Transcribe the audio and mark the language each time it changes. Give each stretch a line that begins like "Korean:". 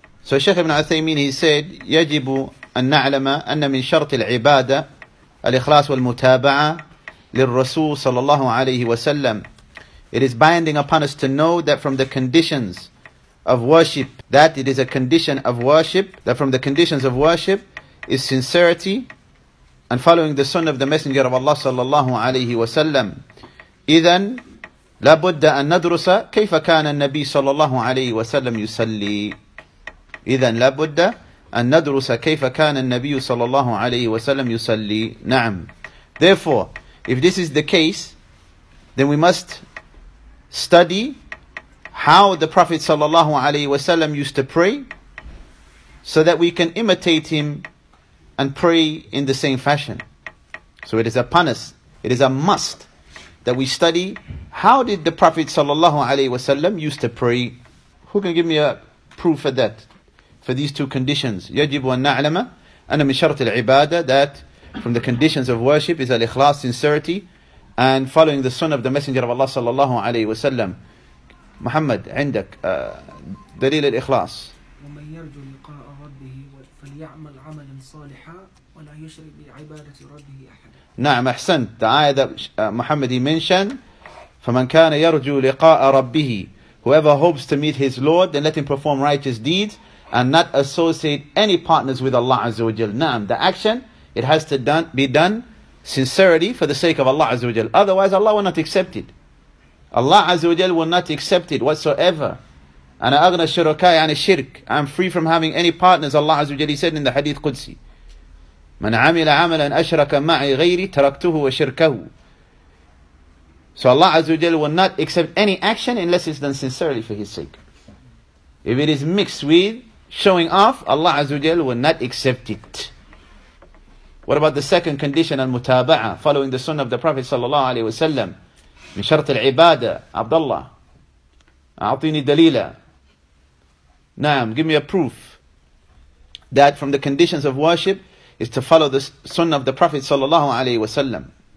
English: So Shaykh ibn Uthaymeen, he said,
Arabic: يَجِبُ أَن نَعْلَمَ أَنَّ مِن شَرْطِ الْعِبَادَةِ الْإِخْلَاسُ وَالْمُتَابَعَةِ لِلْرَسُولِ sallallahu alayhi wa sallam.
English: It is binding upon us to know that from the conditions of worship, that it is a condition of worship, that from the conditions of worship is sincerity and following the sunnah of the Messenger of Allah sallallahu alayhi wa sallam.
Arabic: إذن لابد أن ندرس كيف كان النبي صلى الله عليه وسلم يصلي. إذن لابد أن ندرس كيف كان النبي صلى الله عليه وسلم يصلي. نعم.
English: Therefore, if this is the case, then we must study how the Prophet صلى الله عليه وسلم used to pray, so that we can imitate him and pray in the same fashion. So it is upon us, it is a must, that we study how did the Prophet sallallahu alayhi wasallam used to pray. Who can give me a proof for that, for these two conditions?
Arabic: يجب أن نعلم أن من شرط العبادة,
English: that from the conditions of worship is al-ikhlas, sincerity, and following the sunnah of the Messenger of Allah sallallahu alayhi wasallam.
Arabic: Muhammad, عندك دليل الإخلاص. ومن يرجو لقاء ربه فليعمل عملا صالحا ولا يشرك بعبادة ربه أحد. نعم, أحسنت.
English: The ayah that Muhammad mentioned,
Arabic: فَمَنْ كَانَ يَرْجُو لِقَاءَ رَبِّهِ,
English: whoever hopes to meet his Lord, then let him perform righteous deeds and not associate any partners with Allah Azza wa Jal. نعم, the action, it has to be done sincerely for the sake of Allah Azza wa Jal. Otherwise, Allah will not accept it. Allah Azza wa Jal will not accept it whatsoever.
Arabic: أَنَا أَغْنَى الشُّرَكَاءِ عَنِ الشِّرْكِ,
English: I'm free from having any partners, Allah Azza wa Jal, he said in the Hadith Qudsi.
Arabic: مَنْ عَمِلَ عَمَلًا أَشْرَكَ مَعِي غَيْرِي تَرَكْتُهُ وَشِرْكَهُ.
English: So Allah Azza wa Jal will not accept any action unless it's done sincerely for his sake. If it is mixed with showing off, Allah Azza wa Jal will not accept it. What about the second condition, al-mutaba'ah, following the sunnah of the Prophet sallallahu alayhi wa sallam,
Arabic: مِنْ شَرْطِ الْعِبَادَةِ. Abdullah, أَعْطِينِ دَلِيلًا.
English: نعم, give me a proof that from the conditions of worship is to follow the sunnah of the Prophet sallallahu alayhi wa sallam.